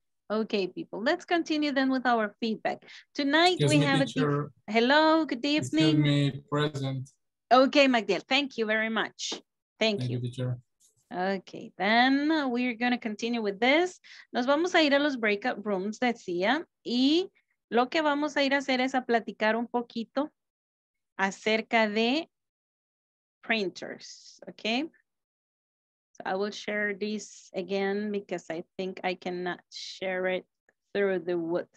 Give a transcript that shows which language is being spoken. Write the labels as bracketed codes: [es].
[en] Ok, people, let's continue then with our feedback. Tonight excuse we have teacher. A... Hello, good evening. Excuse me, present. Ok, Magdiel, thank you very much. Thank you. Ok, then we're going to continue with this. [es] Nos vamos a ir a los breakout rooms, decía, y... Lo que vamos a ir a hacer es a platicar un poquito acerca de printers, okay? [en] So I will share this again because I think I cannot share it through the WhatsApp.